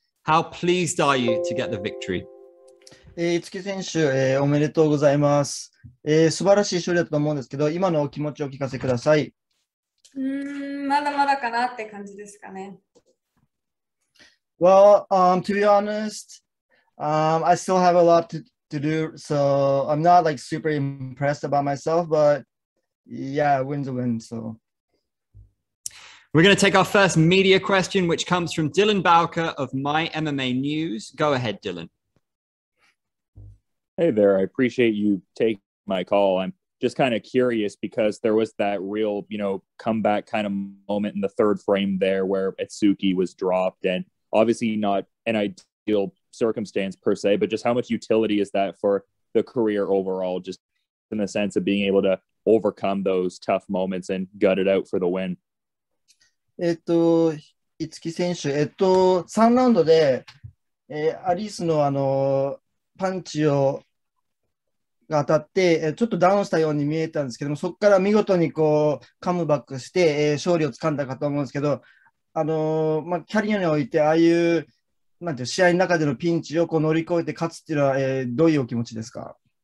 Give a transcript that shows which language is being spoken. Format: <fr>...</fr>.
<en>How pleased are you to get the victory?</en> <ja>Itsuki選手、おめでとうございます。素晴らしい勝利だと思うんですけど、今のお気持ちをお聞かせください。まだまだかなって感じですかね。Well,</ja> <en>to be honest, I still have a lot to do, so I'm not like super impressed about myself, but yeah, win's a win, so. We're going to take our first media question, which comes from Dylan Bowker of My MMA News. Go ahead, Dylan. Hey there, I appreciate you taking my call. I'm just kind of curious because there was that real, you know, comeback kind of moment in the third frame there where Itsuki was dropped, and obviously not an ideal circumstance per se, but just how much utility is that for the career overall, just in the sense of being able to overcome those tough moments and gut it out for the win?</en> <ja>イツキ選手、3ラウンドでアリスのパンチが当たってちょっとダウンしたように見えたんですけども、そこから見事にこうカムバックして勝利をつかんだかと思うんですけど、キャリアにおいてああいう試合の中でのピンチを乗り越えて勝つっていうのは、どういうお気持ちですか？</ja>